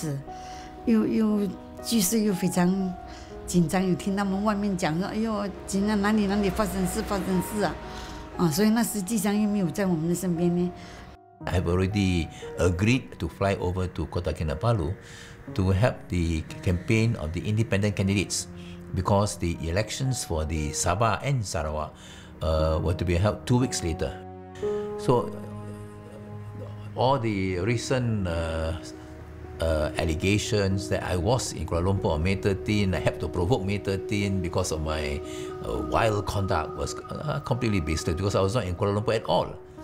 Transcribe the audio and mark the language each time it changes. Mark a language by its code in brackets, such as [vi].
[en] That's when I was alone with four children. [zh] 紧张，有听他们外面讲说：“哎呦，紧张，哪里发生事啊！” 啊，所以那时吉祥又没有在我们的身边呢。 [en] I've already agreed to fly over to Kota Kinabalu to help the campaign of the independent candidates because the elections for the Sabah and Sarawak were to be held 2 weeks later. So all the recent allegations that I was in Kuala Lumpur on May 13, I had to provoke May 13 because of my wild conduct was completely baseless because I was not in Kuala Lumpur at all.